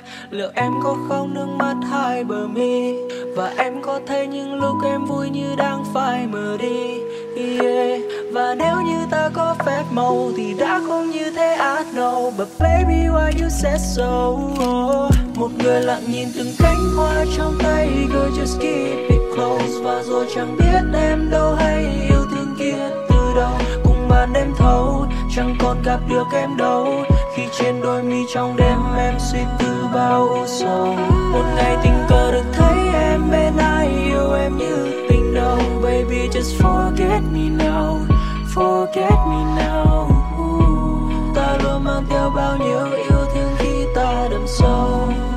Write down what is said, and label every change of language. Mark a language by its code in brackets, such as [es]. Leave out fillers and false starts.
[vi] Liệu em có khóc nước mắt hai bờ mi, và em có thấy những lúc em vui như đang phai mờ đi. Và nếu như ta có phép màu thì đã không như thế. [en] I know, but baby why you said so. [vi] Một người lặng nhìn từng cánh hoa trong tay, [en] girl just keep it close. [vi] Và rồi chẳng biết em đâu hay yêu thương kia từ đâu. Cùng bàn đêm thâu chẳng còn gặp được em đâu. Khi trên đôi mi trong đêm em suy tư bao ưu sầu. Một ngày tình cờ được thấy em bên ai, yêu em như tình đầu. [en] Baby just forget me now, forget me now. [vi] Ta luôn mang theo bao nhiêu yêu thương khi ta đắm sâu.